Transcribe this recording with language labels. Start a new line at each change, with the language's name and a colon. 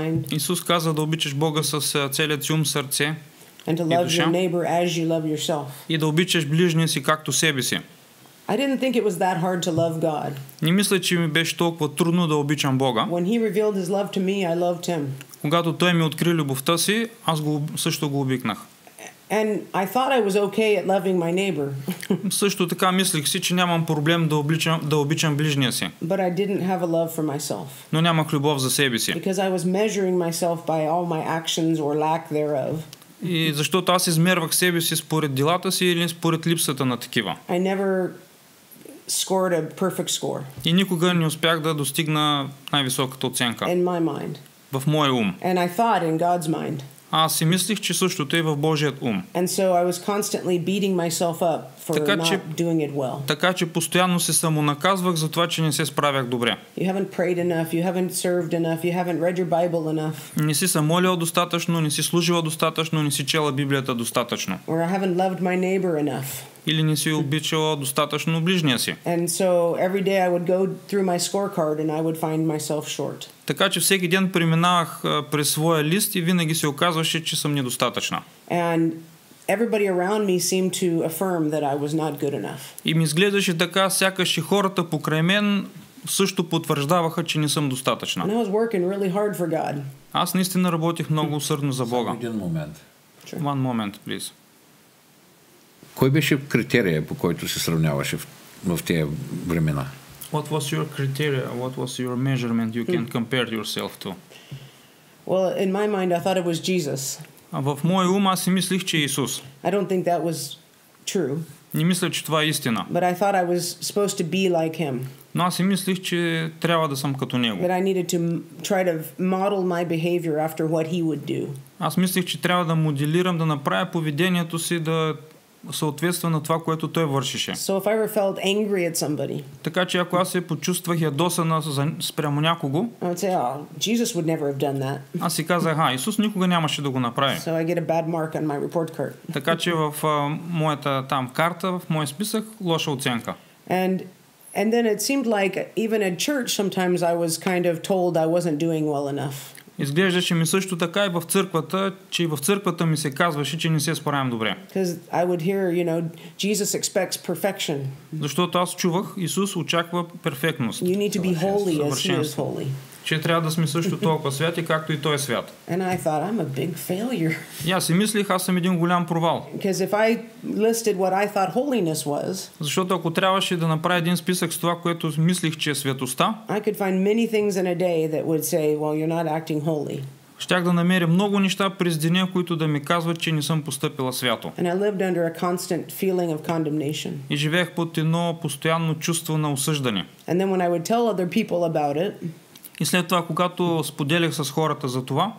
Bulgarian: Исус каза да обичаш Бога с целият ум, сърце
English: and to
Bulgarian: и
English: love
Bulgarian: душа
English: your neighbor as you love yourself.
Bulgarian: И да обичаш ближния си както себе си.
English: I didn't think it was that hard to love God.
Bulgarian: Не мисля, че ми беше толкова трудно да обичам Бога.
English: When he revealed his love to me, I loved him.
Bulgarian: Когато Той ми откри любовта си, аз също го обикнах.
English: And I thought I was okay at loving my neighbor.
Bulgarian: Също така мислих си, че нямам проблем да обичам ближния си.
English: But I didn't have a love for myself.
Bulgarian: Но нямах любов за себе си.
English: Because I was measuring myself by all my actions or lack thereof.
Bulgarian: И защото аз измервах себе си според делата си или според липсата на такива.
English: I never scored a perfect score.
Bulgarian: И никога не успях да достигна най-високата оценка.
English: In my mind.
Bulgarian: В моя ум.
English: And I thought in God's mind.
Bulgarian: Аз си мислих, че същото е в Божият ум.
English: And so I was constantly beating myself up for not doing it well.
Bulgarian: Така че постоянно се самонаказвах за това, че не се справях добре.
English: You haven't prayed enough, you haven't served enough, you haven't read your Bible enough.
Bulgarian: Не си се молил достатъчно, не си служила достатъчно, не си чела Библията достатъчно.
English: Or I haven't loved my neighbor enough.
Bulgarian: Или не си обичала достатъчно ближния си.
English: And so every day I would go through my scorecard and I would find myself short.
Bulgarian: Така че всеки ден преминавах през своя лист и винаги се оказваше, че съм недостатъчна.
English: And everybody around me seemed to affirm that I was not good enough.
Bulgarian: И ми изглеждаше така, сякаш и хората покрай мен също потвърждаваха, че не съм достатъчна.
English: And I was working really hard for God.
Bulgarian: Аз наистина работих много усърдно за Бога. Един момент.
English: Sure. One moment, please.
Bulgarian: Кой беше критерия, по който се сравняваше в тези времена?
English: What was your criteria? What was your measurement you can compare yourself to? Well, in my mind I thought it was Jesus.
Bulgarian: В моя ум аз си мислих, че е Исус.
English: I don't think that was true.
Bulgarian: Не мисля, че това е истина.
English: But I thought I was supposed to be like him.
Bulgarian: Но аз си мислих, че трябва да съм като него.
English: That I needed to try to model my behavior after what he would do.
Bulgarian: Аз мислих, че трябва да моделирам, да направя поведението си да съответства на това, което той вършеше.
English: So if I ever felt angry at somebody,
Bulgarian: така че ако аз се почувствах ядосана спрямо някого,
English: I would say, oh, Jesus would never have done that.
Bulgarian: Аз си казах, Исус никога нямаше да го направи.
English: So I get a bad mark on my report card.
Bulgarian: Така че в моята там карта, в моя списък, лоша оценка.
English: And then it seemed like even at church sometimes I was kind of told I wasn't doing well enough.
Bulgarian: Изглеждаше ми също така и в църквата, че и в църквата ми се казваше, че не се справям добре.
English: I would hear, you know, Jesus expects perfection.
Bulgarian: Защото аз чувах, Исус очаква перфектност.
English: You need to be holy as he is holy.
Bulgarian: Че трябва да сме също толкова святи, както и той е свят.
English: And I thought, I'm a big failure.
Bulgarian: И аз си мислих, аз съм един голям провал.
English: Because if I listed what I thought holiness was,
Bulgarian: защото ако трябваше да направя един списък с това, което мислих, че е святостта,
English: I could find many things in a day that would say, well, you're not acting holy.
Bulgarian: Щях да намеря много неща през деня, които да ми казват, че не съм постъпила свято.
English: And I lived under a constant feeling of condemnation.
Bulgarian: И живеех под едно постоянно чувство на осъждане.
English: And then when I would tell other people about it,
Bulgarian: и след това, когато споделях с хората за това,